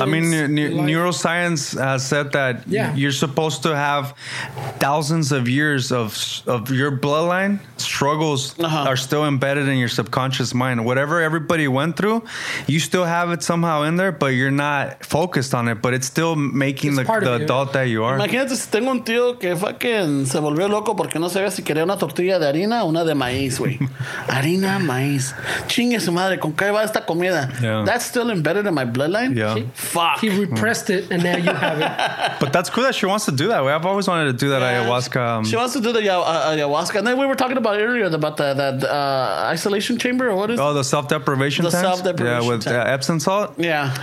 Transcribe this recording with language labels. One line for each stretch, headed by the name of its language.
English: I mean, neuroscience has said that you're supposed to have thousands of years of your bloodline struggles are still embedded in your subconscious mind. Whatever everybody went through, you still have it somehow in there, but you're not focused on it. But it's still making the adult that you are.
Spanish: Imagínate si tengo un tío que fucking se volvió loco porque no sabía si quería una tortilla de harina o una de maíz, güey. Harina, maíz. Chingue su madre, ¿con qué va esta comida?
English: Yeah. That's still embedded in my bloodline? Yeah. Fuck. He repressed it, and now you have it. But that's cool that she wants to do that. I've always wanted to do that ayahuasca. She wants to do the ayahuasca. And then we were talking about earlier about that isolation chamber, or what is it? Oh, the self-deprivation tanks? The self-deprivation tanks. Yeah, with Epsom salt? Yeah.